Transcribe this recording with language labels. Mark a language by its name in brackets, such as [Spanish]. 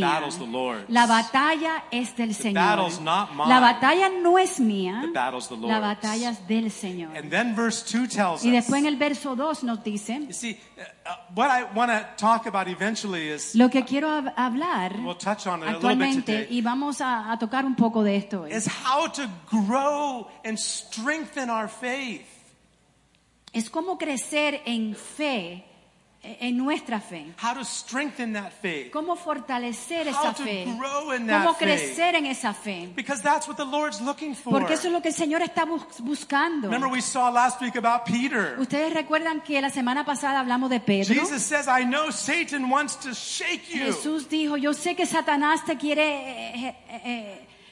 [English] The battle's the Lord's. [Spanish] La batalla es del [English] the [Spanish] Señor. [English] The battle's not mine. [Spanish] La batalla no es mía. [English] The battle's the Lord's. [Spanish] La batalla es del Señor. [English] And then verse 2 tells us. [Spanish] Y después en el verso 2 nos dice. [English] You see, what I want to talk about eventually is. [Spanish] Lo que quiero hablar. [English] We'll touch on it [Spanish] actualmente, [English] a little bit today. [Spanish] Y vamos a tocar un poco de esto hoy. [English] Is how to grow and strengthen our faith. [Spanish] Es cómo crecer en fe, en nuestra fe. [English] How to strengthen that faith. [Spanish] Cómo fortalecer esa fe. [English] How to grow in that [Spanish] faith. Cómo crecer en esa fe. [English] Because that's what the Lord's looking for. [Spanish] Porque eso es lo que el Señor está buscando. [English] Remember we saw last week about Peter. [Spanish] Ustedes recuerdan que la semana pasada hablamos de Pedro. [English] Jesus says, I know Satan wants to shake you. [Spanish] Jesús dijo, yo sé que Satanás te quiere